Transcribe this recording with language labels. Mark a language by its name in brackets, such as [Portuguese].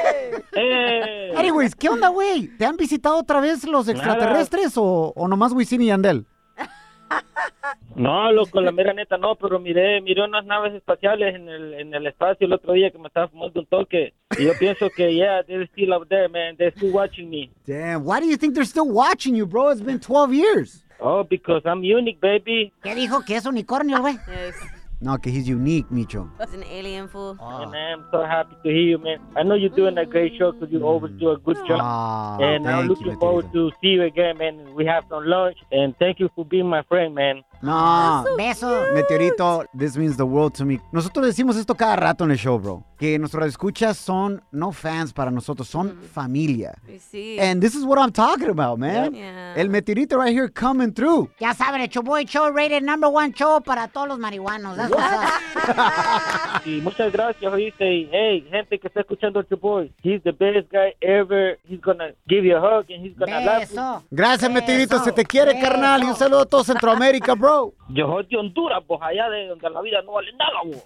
[Spanish] ¡Hey! ¡Hey! Anyways, ¿qué onda, güey? ¿Te han visitado otra vez los extraterrestres o nomás Wisin y Yandel? No, loco, la mera neta no, pero miré unas naves espaciales en el espacio el otro día que me estaban fumando un toque. Y yo pienso que, [English] yeah, they're still out there, man, they're still watching me. Damn, why do you think they're still watching you, bro? It's been 12 years. Oh, because I'm unique, baby. [Spanish] ¿Qué dijo? ¿Que es unicornio, güey? [English] Yes. No, que he's unique, Micho. He's an alien fool. Oh. And I'm so happy to hear you, man. I know you're doing a great show because you always do a good job. Oh, and I'm looking forward to see you again, man. We have some lunch. And thank you for being my friend, man. [Spanish] No, beso. [English] Meteorito, this means the world to me. [Spanish] Nosotros decimos esto cada rato en el show, bro. Que nuestros escuchas son no fans para nosotros, son familia. [English] See. And this is what I'm talking about, man. Yeah. El Meteorito right here coming through. [Spanish] Ya saben, el Chomboy Show [English] rated number one show [Spanish] para todos los marihuanos. [English] That's what's up. [Spanish] Y muchas gracias, oíste. Y hey, gente que está escuchando el Chomboy, [English] he's the best guy ever. He's gonna give you a hug and he's gonna love you. [Spanish] Gracias, beso. Meteorito. Se te quiere, beso. Carnal. Y un saludo a todo Centroamérica, bro. Yo soy de Honduras, pues allá de donde la vida no vale nada, vos.